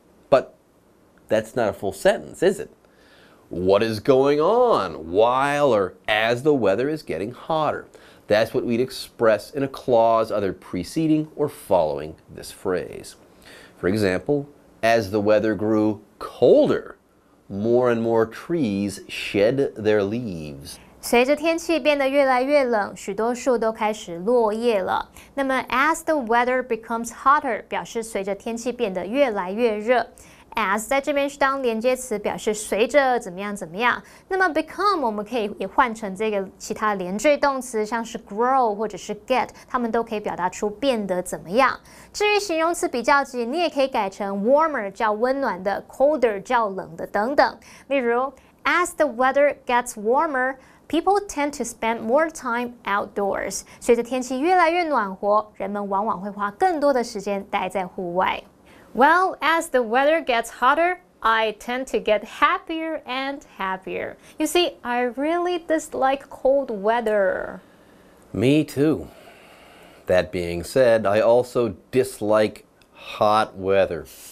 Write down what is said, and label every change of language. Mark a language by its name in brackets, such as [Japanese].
[English] But that's not a full sentence, is it? What is going on while or as the weather is getting hotter? That's what we'd express in a clause either preceding or following this phrase. For example, as the weather grew colder, more and more trees shed their leaves. [Chinese] 随着天气变得越来越冷，许多树都开始落叶了。那么 [English] as the weather becomes hotter [Chinese] 表示随着天气变得越来越热。 As 在这边是当连接词，表示随着怎么样怎么样。那么 become 我们可以也换成这个其他连缀动词，像是 grow 或者是 get， 它们都可以表达出变得怎么样。至于形容词比较级，你也可以改成 warmer 叫温暖的 ，colder 叫冷的等等。例如 [English] ，As the weather gets warmer, people tend to spend more time outdoors。 [Chinese] 随着天气越来越暖和，人们往往会花更多的时间待在户外。 [English] Well, as the weather gets hotter, I tend to get happier and happier. You see, I really dislike cold weather. Me too. That being said, I also dislike hot weather.